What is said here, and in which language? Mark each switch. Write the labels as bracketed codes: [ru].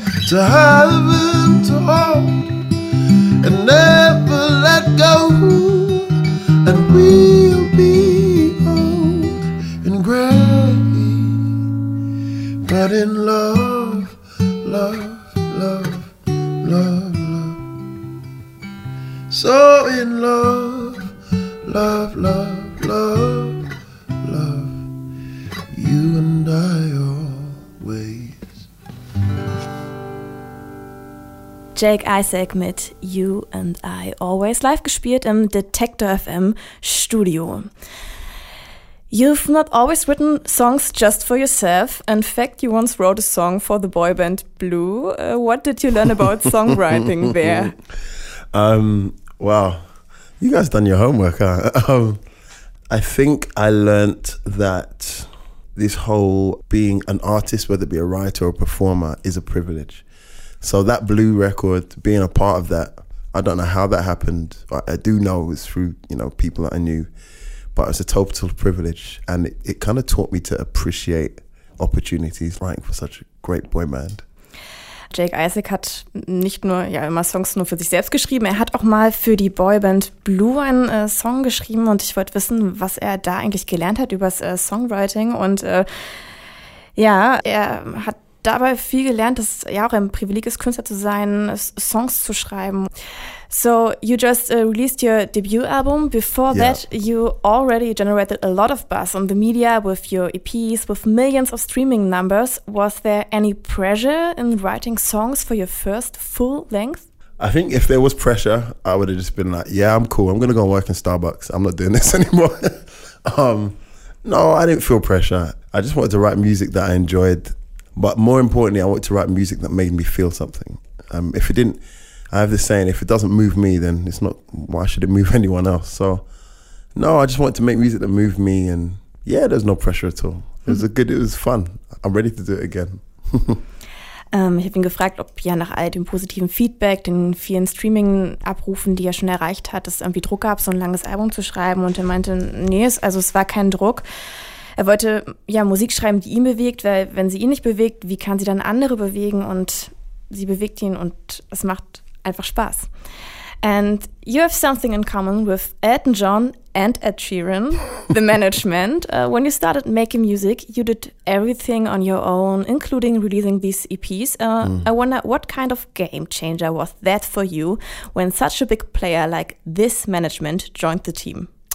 [en] To have and to hold and never let go, and we'll be old and gray, but in love, love, love, love, love. So in love, love, love, love, love, you and I always. [de] Jake Isaac mit You and I Always, live gespielt im Detektor FM Studio. [en] You've not always written songs just for yourself. In fact, you once wrote a song for the boy band Blue. What did you learn about songwriting there? Wow, you guys done your homework, huh? I think I learned that this whole being an artist, whether it be a writer or a performer, is a privilege. So that Blue record, being a part of that, I don't know how that happened. I do know it was through, you know, people that I knew, but it was a total privilege. And it kind of taught me to appreciate opportunities writing for such a great boy band. [de] Jake Isaac hat nicht nur, ja, immer Songs nur für sich selbst geschrieben, er hat auch mal für die Boyband Blue einen Song geschrieben, und ich wollte wissen, was er da eigentlich gelernt hat übers Songwriting. Und ja, er hat dabei viel gelernt, dass ja auch ein Privileg ist, Künstler zu sein, Songs zu schreiben. [en] So you just released your debut album. Before that, you already generated a lot of buzz on the media with your EPs, with millions of streaming numbers. Was there any pressure in writing songs for your first full length? I think if there was pressure, I would have just been like, yeah, I'm cool, I'm gonna go work in Starbucks, I'm not doing this anymore. No, I didn't feel pressure. I just wanted to write music that I enjoyed. But more importantly, I wanted to write music that made me feel something. If it didn't, I have this saying, if it doesn't move me, then it's not, why should it move anyone else? So, no, I just wanted to make music that moved me. And yeah, there's no pressure at all. It was it was fun. I'm ready to do it again. [de] Ich habe ihn gefragt, ob ja nach all dem positiven Feedback, den vielen Streaming-Abrufen, die er schon erreicht hat, es irgendwie Druck gab, so ein langes Album zu schreiben. Und er meinte, nee, also es war kein Druck. Er wollte ja Musik schreiben, die ihn bewegt, weil wenn sie ihn nicht bewegt, wie kann sie dann andere bewegen? Und sie bewegt ihn und es macht einfach Spaß. [en] And you have something in common with Elton John and Ed Sheeran, the management, when you started making music, you did everything on your own, including releasing these EPs. I wonder what kind of game changer was that for you when such a big player like this management joined the team?